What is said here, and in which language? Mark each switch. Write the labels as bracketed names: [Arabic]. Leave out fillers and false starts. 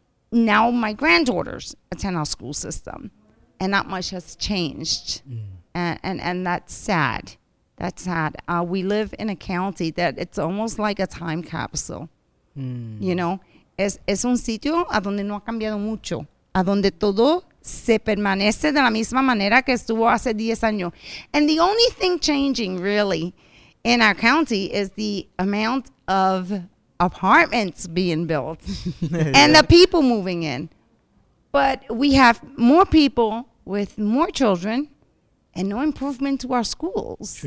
[English] Now my granddaughters attend our school system, and not much has changed. And that's sad. That's sad. We live in a county that it's almost like a time capsule. You know? [Spanish] Es un sitio a donde no ha cambiado mucho, a donde todo se permanece de la misma manera que estuvo hace 10 años. [English] And the only thing changing, really, in our county is the amount of apartments being built and the people moving in, but we have more people with more children and no improvement to our schools.